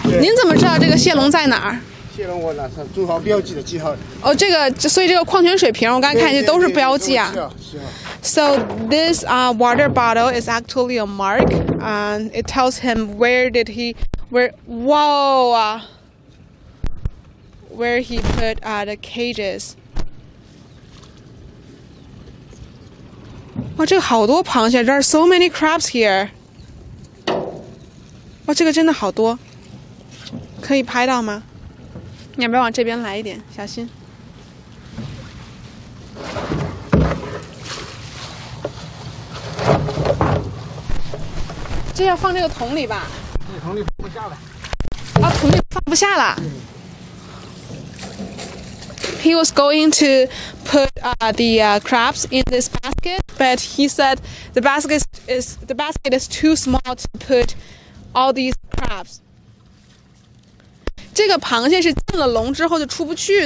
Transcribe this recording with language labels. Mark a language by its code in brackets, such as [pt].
[zh] 您怎么知道这个蟹笼在哪儿？蟹笼我拿上珠宝标记的记号。哦，这个，所以这个矿泉水瓶，我刚看见都是标记啊。是啊，是啊。 [en] So this water bottle is actually a mark, and it tells him where. Whoa. Where he put the cages. [zh] 哇，这个好多螃蟹 ！ [en] There are so many crabs here。 [zh] 哇，这个真的好多，可以拍到吗？你要不要往这边来一点？小心。这要放这个桶里吧？这桶里放不下了。啊，桶里放不下了。 [en] He was going to put the crabs in this basket, but he said the basket is too small to put all these crabs. [zh] 这个螃蟹是进了笼之后就出不去，